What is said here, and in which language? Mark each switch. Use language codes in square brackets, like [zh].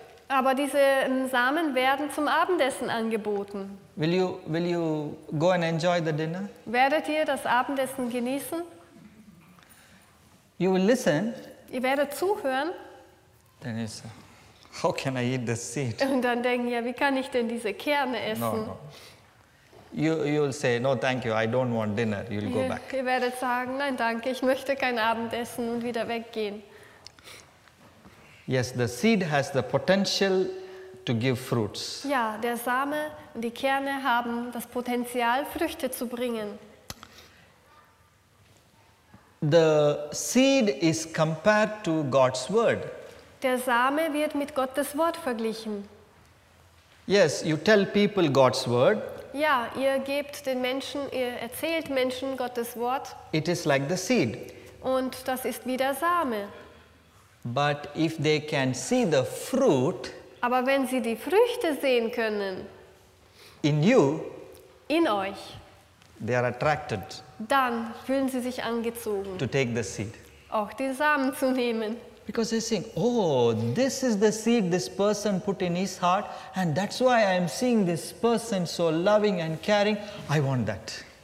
[de] Aber diese Samen werden zum Abendessen angeboten. [en] Will you go and enjoy the dinner? [de] Werdet ihr das Abendessen genießen? [en] You will listen. [de] Ihr werdet zuhören. [en] Then you say, how can I eat this seed? [de] Und dann denken, ja, wie kann ich denn diese Kerne essen? [en] No, no. You will say, no, thank you, I don't want dinner. You'll go back. [de] Ihr werdet sagen, nein, danke, ich möchte kein Abendessen und wieder weggehen. [en] Yes, the seed has the potential to give fruits. [de] Ja, der Same und die Kerne haben das Potenzial, Früchte zu bringen. [en] The seed is compared to God's word. [de] Der Same wird mit Gottes Wort verglichen. [en] Yes, you tell people God's word. [de] Ja, ihr gebt den Menschen, ihr erzählt Menschen Gottes Wort. [en] It is like the seed. [de] Und das ist wie der Same. [en] But if they can see the fruit, [de] aber wenn sie die Früchte sehen können, [en] in you, [de] in euch, [en] they are attracted, [de] dann fühlen sie sich angezogen, [en] to take the seed, [de] auch den Samen zu nehmen. [en] Because they think, oh, this is the seed this person put in his heart, and that's why I am seeing this person so loving and caring, I want that.